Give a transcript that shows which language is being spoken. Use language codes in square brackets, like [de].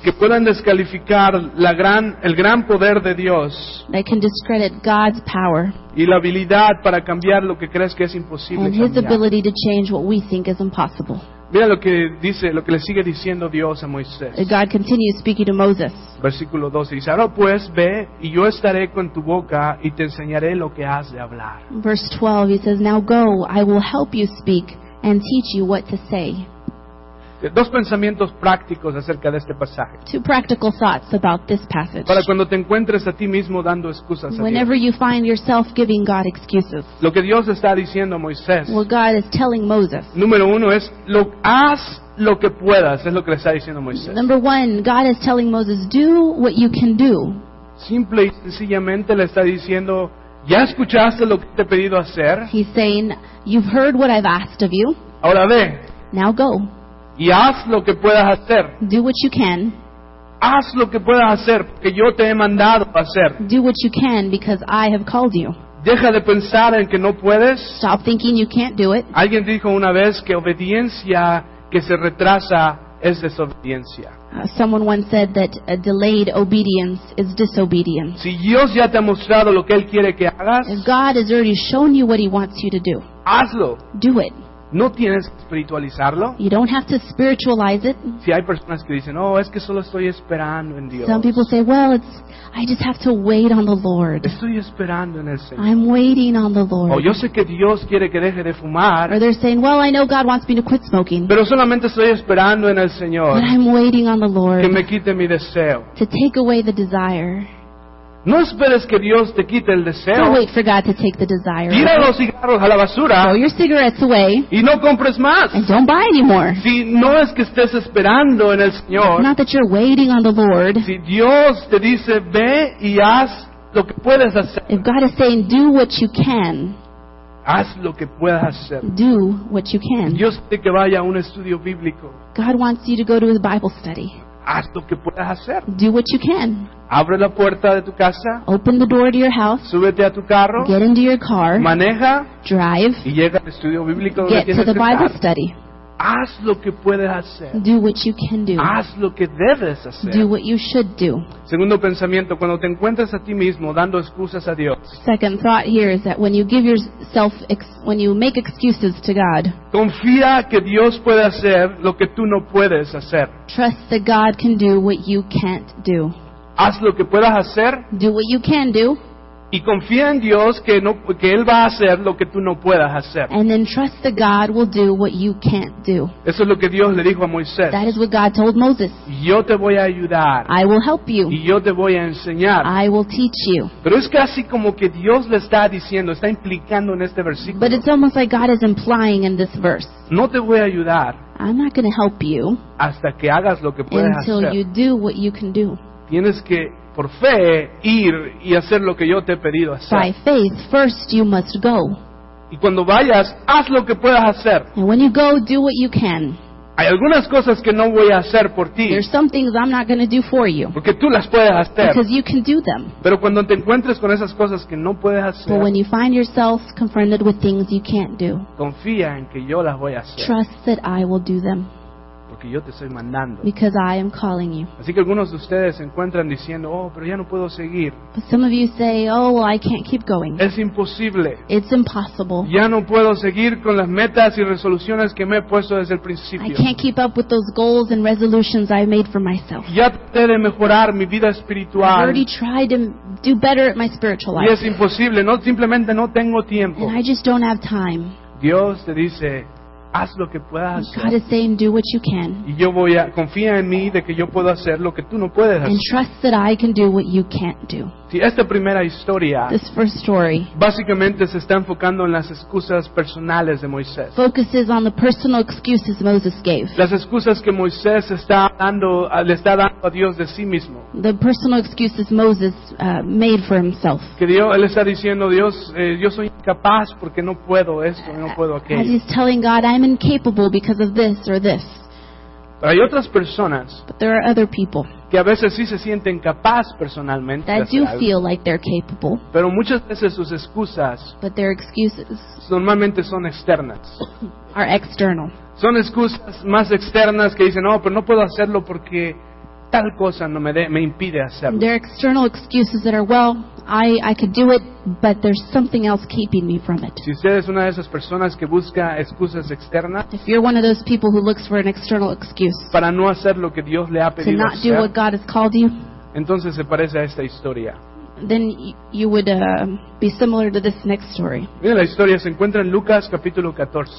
[es] que puedan descalificar el gran poder de Dios, [en] that can discredit God's power, [es] y la habilidad para cambiar lo que crees que es imposible, [en] and his ability to change what we think is impossible. [es] Mira lo que dice, lo que le sigue diciendo Dios a Moisés. [en] God continues speaking to Moses. [es] Versículo 12 dice, ahora pues ve y yo estaré con tu boca y te enseñaré lo que has de hablar. [en] Verse 12, he says, now go, I will help you speak and teach you what to say. [es] Dos pensamientos prácticos acerca de este pasaje. [en] Two practical thoughts about this passage. [es] Para cuando te encuentres a ti mismo dando excusas a Dios. [en] Whenever you find yourself giving God excuses. [es] Lo que Dios está diciendo a Moisés. [en] What God is telling Moses. [es] Número uno es, haz lo que puedas, es lo que le está diciendo Moisés. [en] Number one, God is telling Moses, do what you can do. [es] Simple y sencillamente le está diciendo, ya escuchaste lo que te he pedido hacer. [en] He's saying, you've heard what I've asked of you. [es] Ahora ve. [en] Now go. [es] Y haz lo que puedas hacer. [en] Do what you can. [es] Haz lo que puedas hacer, porque yo te he mandado a hacer. [en] Do what you can, because I have called you. [es] Deja de pensar en que no puedes. [en] Stop thinking you can't do it. [es] Alguien dijo una vez que obediencia que se retrasa es desobediencia. [en] Someone once said that a delayed obedience is disobedience. [es] Si Dios ya te ha mostrado lo que Él quiere que hagas, [en] if God has already shown you what He wants you to do, [es] hazlo. [en] Do it. [es] No tienes que espiritualizarlo. [en] You don't have to spiritualize it. [es] Si hay personas que dicen, oh, es que solo estoy esperando en Dios. [en] Some people say, well, it's I just have to wait on the Lord. [es] Estoy esperando en el Señor. [en] I'm waiting on the Lord. [es] Oh, yo sé que Dios quiere que deje de fumar. [en] Or they're saying, well, I know God wants me to quit smoking. [es] Pero solamente estoy esperando en el Señor. [en] But I'm waiting on the Lord. [es] Que me quite mi deseo. [en] To take away the desire. [es] No esperes que Dios te quite el deseo. [en] Don't wait for God to take the desire. [es] Tira los cigarros a la basura. [en] Throw your cigarettes away. [es] Y no compres más. [en] And don't buy anymore. [es] Si no es que estés esperando en el Señor. [en] Not that you're waiting on the Lord. [es] Si Dios te dice, ve y haz lo que puedes hacer. [en] If God is saying, do what you can, [es] haz lo que puedas hacer. [en] Do what you can. [es] Dios quiere que vaya a un estudio bíblico. [en] God wants you to go to a Bible study. [es] Haz lo que puedas hacer. [en] Do what you can. [es] Abre la puerta de tu casa. [en] Open the door to your house. [es] Súbete a tu carro. [en] Get into your car. [es] Maneja. [en] Drive. [es] Y llega al estudio bíblico donde tienes que estar. [en] Get to the Bible study. [es] Haz lo que puedes hacer. [en] Do what you can do. [es] Haz lo que debes hacer. [en] Do what you should do. [es] Segundo pensamiento, cuando te encuentras a ti mismo dando excusas a Dios. [en] Second thought here is that when you give yourself, when you make excuses to God. [es] Confía que Dios puede hacer lo que tú no puedes hacer. [en] Trust that God can do what you can't do. [es] Haz lo que puedas hacer. [en] Do what you can do. [es] Y confía en Dios que no, que Él va a hacer lo que tú no puedas hacer. [en] And then trust that God will do what you can't do. [es] Eso es lo que Dios le dijo a Moisés. [en] That is what God told Moses. [es] Yo te voy a ayudar. [en] I will help you. [es] Y yo te voy a enseñar. [en] I will teach you. [es] Pero es casi como que Dios le está diciendo, está implicando en este versículo. [en] But it's almost like God is implying in this verse. [es] No te voy a ayudar. [en] I'm not going to help you. [es] Hasta que hagas lo que puedas hacer. [en] Until you do what you can do. [es] Tienes que por fe ir y hacer lo que yo te he pedido hacer. [en] By faith, first you must go. [es] Y cuando vayas, haz lo que puedas hacer. [en] And when you go, do what you can. [es] Hay algunas cosas que no voy a hacer por ti. [en] There's some things I'm not going to do for you. [es] Porque tú las puedes hacer. [en] Because you can do them. [es] Pero cuando te encuentres con esas cosas que no puedes hacer. [en] But when you find yourself confronted with things you can't do. [es] Confía en que yo las voy a hacer. [en] Trust that I will do them. [es] Porque yo te estoy mandando. [en] Because I am calling you. [es] Así que algunos de ustedes se encuentran diciendo, oh, pero ya no puedo seguir. [en] But some of you say, oh, well, I can't keep going. [es] Es imposible. [en] It's impossible. [es] Ya no puedo seguir con las metas y resoluciones que me he puesto desde el principio. [en] I can't keep up with those goals and resolutions I made for myself. [es] Ya traté de mejorar mi vida espiritual. [en] I already tried to do better at my spiritual life. [es] Y es imposible. No, simplemente no tengo tiempo. [en] And I just don't have time. [es] Dios te dice, haz lo que puedas hacer. [en] God is saying, do what you can. [es] Y yo voy a confía en mí de que yo puedo hacer lo que tú no puedes hacer. [en] And trust that I can do what you can't do. [es] Sí, esta primera historia, [en] this first story, [es] básicamente se está enfocando en las excusas personales de Moisés. [en] Focuses on the personal excuses Moses gave. [es] Las excusas que Moisés está dando, le está dando a Dios de sí mismo. [en] The personal excuses Moses made for himself. [es] Que Dios, él está diciendo, Dios, yo soy incapaz porque no puedo esto, no puedo aquello. [en] As he's telling God, I'm incapable because of this or this. [es] Pero hay otras personas. [en] But there are other people. [es] Que a veces sí se sienten capaz personalmente. [en] That do feel like they're capable. [es] Pero muchas veces sus excusas. [en] But their excuses. [es] Normalmente son externas. [en] Are external. [es] Son excusas más externas que dicen, no, pero no puedo hacerlo porque tal cosa no me impide hacerlo. [en] They're external excuses that are, well, I could do it, but there's something else keeping me from it. [es] Si usted es una de esas personas que busca excusas externas, [en] if you're one of those people who looks for an external excuse, [es] para no hacer lo que Dios le ha pedido hacer, [en] to not [es] hacer, [en] do what God has called you, [es] entonces se parece a esta historia. [en] Then you would be similar to this next story. [es] Mira, la historia se encuentra en Lucas capítulo 14.